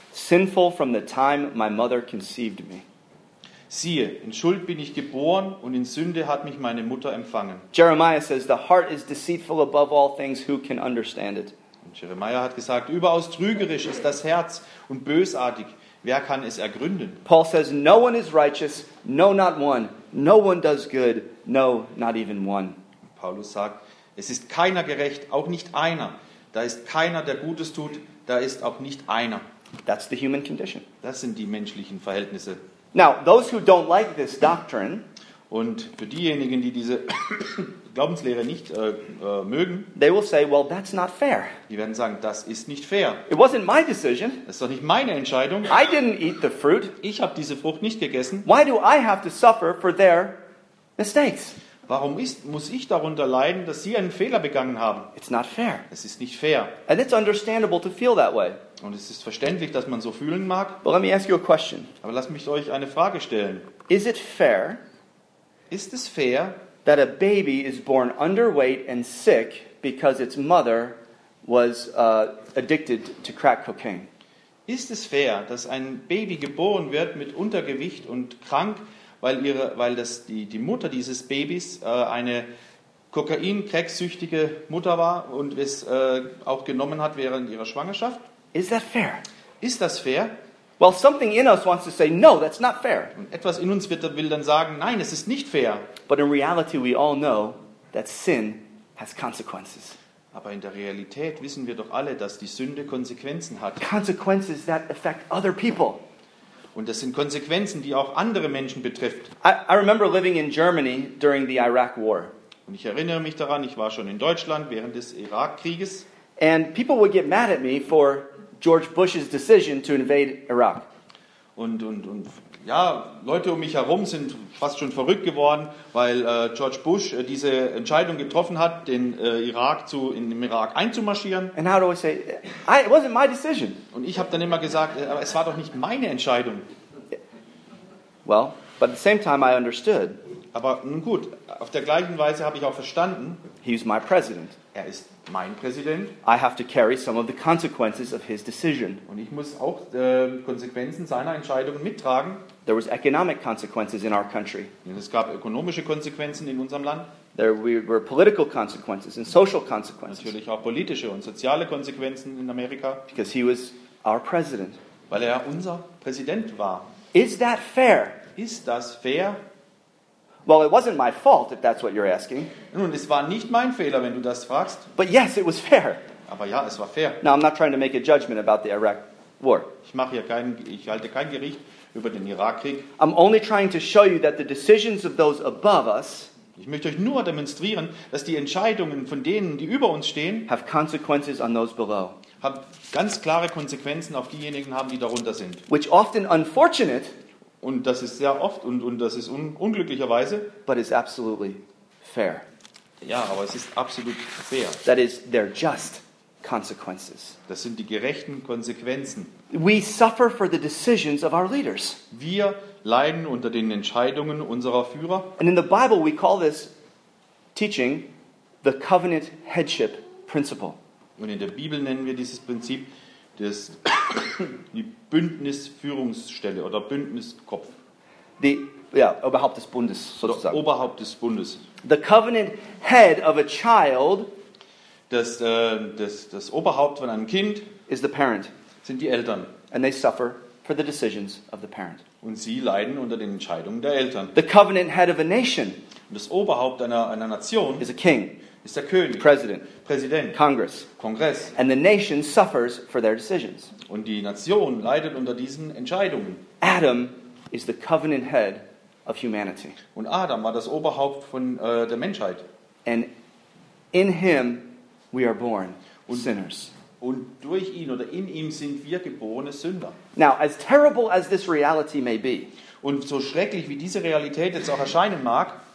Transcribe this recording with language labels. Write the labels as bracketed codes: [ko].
[en] Sinful from the time my mother conceived me. [de] Siehe, in Schuld bin ich geboren und in Sünde hat mich meine Mutter empfangen. [en] Jeremiah says, the heart is deceitful above all things, who can understand it? [de] Und Jeremiah hat gesagt, überaus trügerisch ist das Herz und bösartig, wer kann es ergründen? [en] Paul says, no one is righteous, no not one, no one does good, no not even one. [de] Paulus sagt, es ist keiner gerecht, auch nicht einer, da ist keiner, der Gutes tut, da ist auch nicht einer. [en] That's the human condition. [de] Das sind die menschlichen Verhältnisse. [en] Now, those who don't like this doctrine, [de] und für diejenigen, die diese Glaubenslehre nicht mögen, [en] they will say, well, that's not fair. [de] Die werden sagen, das ist nicht fair. [en] It wasn't my decision. [de] Das ist doch nicht meine Entscheidung. [en] I didn't eat the fruit. [de] Ich habe diese Frucht nicht gegessen. [en] Why do I have to suffer for their mistakes? [de] Warum muss ich darunter leiden, dass sie einen Fehler begangen haben? [en] It's not fair. [de] Es ist nicht fair. [en] And it's understandable to feel that way. [de] Und es ist verständlich, dass man so fühlen mag. [en] But let me ask you a question. [de] Aber lasst mich euch eine Frage stellen. [en] Is it fair? [de] Ist es fair, [en] that a baby is born underweight and sick because its mother was addicted to crack cocaine? [de] Ist es fair, dass ein Baby geboren wird mit Untergewicht und krank, weil die Mutter dieses Babys eine Kokain-Crack-süchtige Mutter war und es auch genommen hat während ihrer Schwangerschaft? [en] Is that fair? [de] Ist das fair? [en] Well, something in us wants to say, no, that's not fair. [de] Und etwas in uns will dann sagen, nein, es ist nicht fair. [en] But in reality, we all know that sin has consequences. [de] Aber in der Realität wissen wir doch alle, dass die Sünde Konsequenzen hat. [en] Consequences that affect other people. [de] Und das sind Konsequenzen, die auch andere Menschen betrifft. [en] I remember living in Germany during the Iraq War. [de] Und ich erinnere mich daran, ich war schon in Deutschland während des Irakkrieges. [en] And people would get mad at me for George Bush's decision to invade Iraq. [de] Und ja, Leute um mich herum sind fast schon verrückt geworden, weil George Bush diese Entscheidung getroffen hat, den Irak einzumarschieren. [en] And how do I say, it wasn't my decision. [de] Und ich habe dann immer gesagt, aber es war doch nicht meine Entscheidung. [en] Well, but at the same time I understood. [de] Aber nun gut, auf der gleichen Weise habe ich auch verstanden. [en] He's my president. [de] Er ist mein Präsident. [en] I have to carry some of the consequences of his decision. [de] Und ich muss auch Konsequenzen seiner Entscheidungen mittragen. [en] There was economic consequences in our country. [de] Es gab ökonomische Konsequenzen in unserem Land. [en] There were political consequences and social consequences. [de] Natürlich auch politische und soziale Konsequenzen in Amerika. [en] Because he was our president. [de] Weil unser Präsident war. [en] Is that fair? [de] Ist das fair? [en] Well, it wasn't my fault, if that's what you're asking. [de] Nun, es war nicht mein Fehler, wenn du das fragst. [en] But yes, it was fair. [de] Aber ja, es war fair. [en] Now, I'm not trying to make a judgment about the Iraq war. [de] Ich halte kein Gericht über den Irakkrieg. [en] I'm only trying to show you that the decisions of those above us. [de] Ich möchte euch nur demonstrieren, dass die Entscheidungen von denen, die über uns stehen, [en] have consequences on those below. [de] Haben ganz klare Konsequenzen auf diejenigen haben, die darunter sind. [en] Which often unfortunate. [de] Und das ist sehr oft und das ist unglücklicherweise. [en] But it's absolutely fair. [de] Ja, aber es ist absolut fair. [en] That is their just consequences. [de] Das sind die gerechten Konsequenzen. [en] We suffer for the decisions of our leaders. [de] Wir leiden unter den Entscheidungen unserer Führer. [en] And in the Bible we call this teaching the covenant headship principle. [de] Und in der Bibel nennen wir dieses Prinzip die Bündnisführungsstelle oder Bündniskopf. Oberhaupt des Bundes sozusagen. Oberhaupt des Bundes. [en] The covenant head of a child. [de] Das Oberhaupt von einem Kind [en] is the parent. [de] Sind die Eltern. [en] And they suffer for the decisions of the parent. [de] Und sie leiden unter den Entscheidungen der Eltern. [en] The covenant head of a nation. [de] Und das Oberhaupt einer Nation [en] is a king. [de] Ist der König, [en] President, Congress, [de] Kongress, [en] and the nation suffers for their decisions. [de] Und die Nation leidet unter diesen Entscheidungen. [en] Adam is the covenant head of humanity. [de] Und Adam war das Oberhaupt von der Menschheit. [en] And in him we are born sinners. [de] Und durch ihn oder in ihm sind wir geborene Sünder. [en] Now, as terrible as this reality may be, [de] und so schrecklich wie diese Realität jetzt auch erscheinen mag,